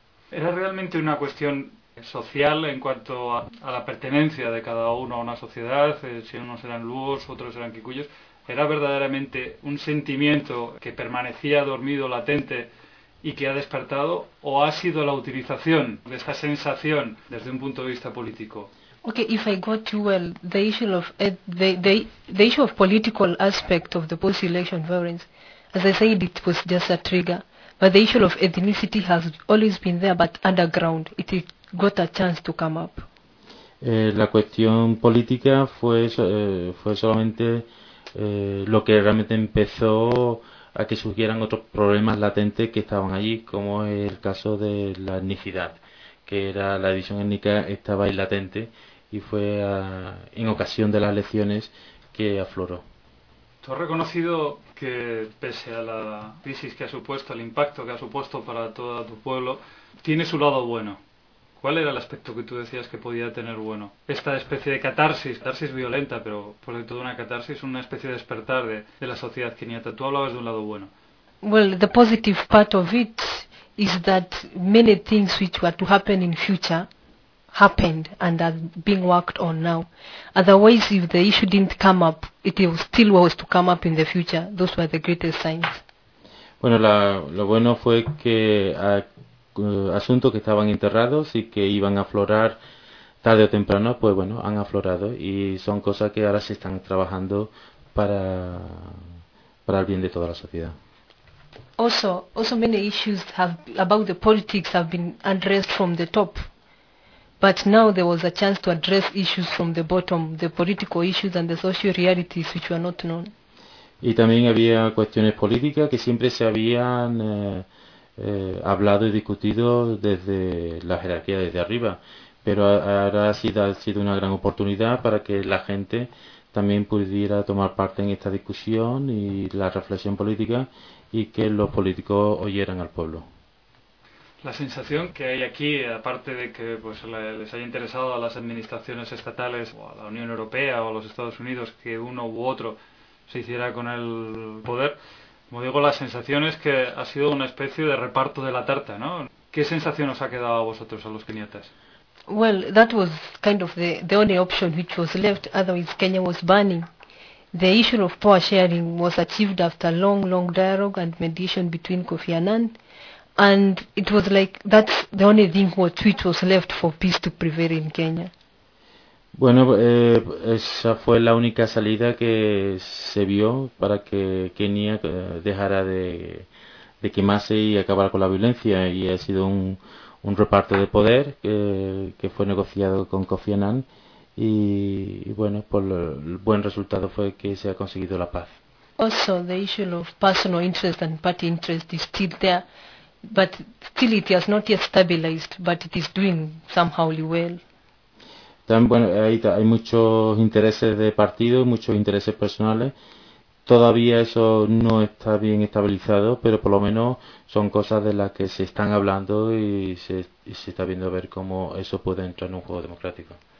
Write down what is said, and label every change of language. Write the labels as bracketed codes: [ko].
[es] ¿Era realmente una cuestión social en cuanto a la pertenencia de cada uno a una sociedad? Si unos eran luos, otros eran kikuyos. ¿Era verdaderamente un sentimiento que permanecía dormido, latente, y que ha despertado, o ha sido la utilización de esta sensación desde un punto de vista político? [en] Okay, if I got you well, the issue of political aspect of the post-election violence, as I said, it was just a trigger. But the issue of ethnicity has always been there, but underground. It got a chance to come up. [es] La cuestión política fue solamente lo que realmente empezó a que surgieran otros problemas latentes que estaban allí, como el caso de la etnicidad, que era la división étnica, estaba ahí latente, y fue en ocasión de las elecciones que afloró. Tú has reconocido que, pese a la crisis que ha supuesto, el impacto que ha supuesto para todo tu pueblo, tiene su lado bueno. ¿Cuál era el aspecto que tú decías que podía tener bueno? Esta especie de catarsis violenta, pero por dentro de una catarsis, una especie de despertar de la sociedad keniata. Tú hablabas de un lado bueno. [en] Well, the positive part of it is that many things which were to happen in future happened and are being worked on now. Otherwise, if the issue didn't come up, it still was to come up in the future. Those were the greatest signs. [es] Bueno, lo bueno fue que asuntos que estaban enterrados y que iban a aflorar tarde o temprano, pues bueno, han aflorado y son cosas que ahora se están trabajando para el bien de toda la sociedad. [en] Also many issues about the politics have been addressed from the top, but now there was a chance to address issues from the bottom, the political issues and the social realities which were not known. [es] Y también había cuestiones políticas que siempre se habían hablado y discutido desde la jerarquía, desde arriba, pero ahora ha sido una gran oportunidad para que la gente también pudiera tomar parte en esta discusión y la reflexión política, y que los políticos oyeran al pueblo. La sensación que hay aquí, aparte de que pues les haya interesado a las administraciones estatales o a la Unión Europea o a los Estados Unidos que uno u otro se hiciera con el poder, como digo, la sensación es que ha sido una especie de reparto de la tarta, ¿no? ¿Qué sensación os ha quedado a vosotros, a los keniatas? [en] Well, that was kind of the only option which was left, otherwise Kenya was burning. The issue of power sharing was achieved after long, long dialogue and mediation between Kofi Annan, and it was like that's the only thing which was left for peace to prevail in Kenya. [es] Bueno, esa fue la única salida que se vio para que Kenia dejara de quemarse y acabara con la violencia, y ha sido un reparto de poder que fue negociado con Kofi Annan, y bueno, pues el buen resultado fue que se ha conseguido la paz. [en] Also, the issue of personal interest and party interest is still there, but still it has not yet stabilized, but it is doing somehow well. [es] Bueno, hay muchos intereses de partido, muchos intereses personales. Todavía eso no está bien estabilizado, pero por lo menos son cosas de las que se están hablando y se está viendo a ver cómo eso puede entrar en un juego democrático.